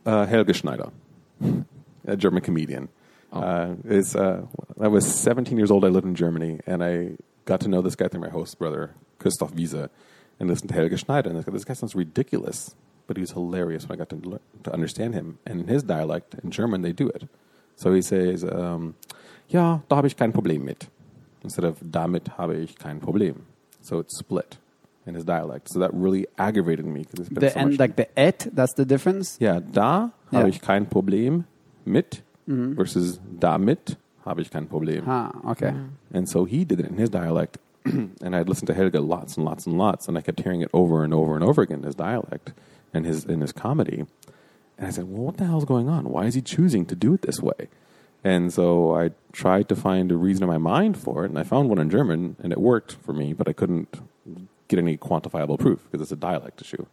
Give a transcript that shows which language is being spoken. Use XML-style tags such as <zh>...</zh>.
<en>Helge Schneider. A German comedian. I was 17 years old. I lived in Germany, and I got to know this guy through my host brother, Christoph Wiese, and listened to Helge Schneider. And this guy sounds ridiculous, but he was hilarious when I got to understand him. And in his dialect, in German, they do it. So he says,</en> <de>ja, da habe ich kein Problem mit,</de> <en>instead of</en> <de>damit habe ich kein Problem.</de> <en>So it's split. in his dialect. So that really aggravated me. Because the so end, much. Like the et, that's the difference?</en> <de>Yeah, da habe ich kein Problem mit versus damit habe ich kein Problem.</de> <en>Ah, okay. Mm. And so he did it in his dialect. And I'd listened to Helga lots and lots and lots. And I kept hearing it over and over and over again in his dialect and his in his comedy. And I said, well, what the hell is going on? Why is he choosing to do it this way? And so I tried to find a reason in my mind for it. And I found one in German and it worked for me, but I couldn't get any quantifiable proof because it's a dialect issue.</en>